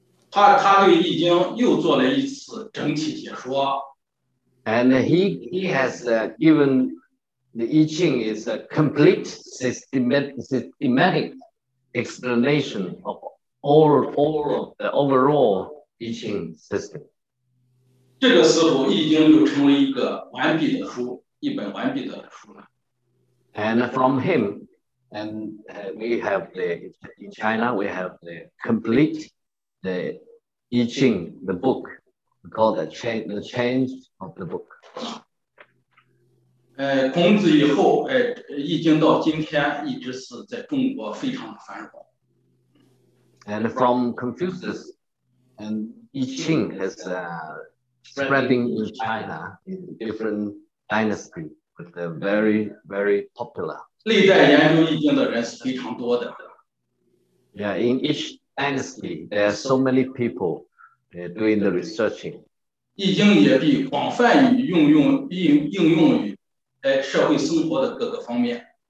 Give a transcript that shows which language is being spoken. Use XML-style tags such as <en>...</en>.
<zh>他对易经又做了一次整体解说。</zh> <en>And he has given the I-Ching is a complete systematic explanation of all of the overall I-Ching system.</en> <zh>这个时候已经又成为一个完毕的书，一本完毕的书了。</zh> <en>And from him, and we have the, in China, we have the complete the I-Ching, the book, called the change of the book.</en> <zh>孔子以后，易经到今天一直是在中国非常繁荣。</zh> <en>And from Confucius, and I Ching has spreading in China in different dynasty, but they're very, very popular.</en> <zh>历代研究易经的人是非常多的。</zh> <en>Yeah, in each dynasty, there are so many people doing the researching.</en> <zh>易经也被广泛应用于社会生活的各个方面。</zh>